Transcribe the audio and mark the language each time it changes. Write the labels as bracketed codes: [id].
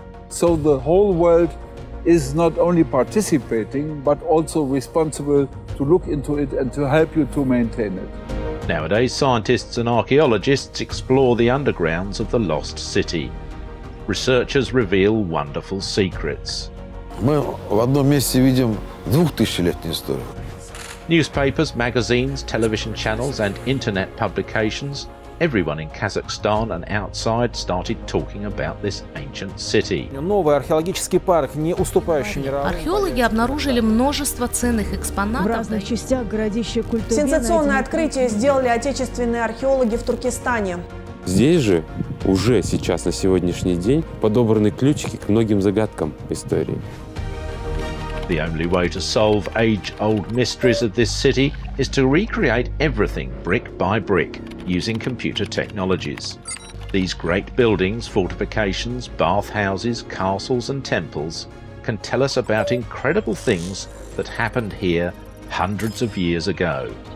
[en] So the whole world is not only participating, but also responsible to look into it and to help you to maintain it. Nowadays, scientists and archaeologists explore the undergrounds of the lost city. Researchers reveal wonderful secrets. [ru] Мы в одном месте видим 2000-летнюю историю. [en] Newspapers, magazines, television channels and internet publications, everyone in Kazakhstan and outside started talking about this ancient city. [ru] Новый археологический парк, не уступающий ни разу. Археологи обнаружили множество ценных экспонатов в разных частях городища Культобе. Сенсационное открытие сделали отечественные археологи в Туркестане. Здесь же уже сейчас на сегодняшний день подобраны ключики к многим загадкам истории. [en] The only way to solve age-old mysteries of this city is to recreate everything brick by brick using computer technologies. These great buildings, fortifications, bathhouses, castles and temples can tell us about incredible things that happened here hundreds of years ago.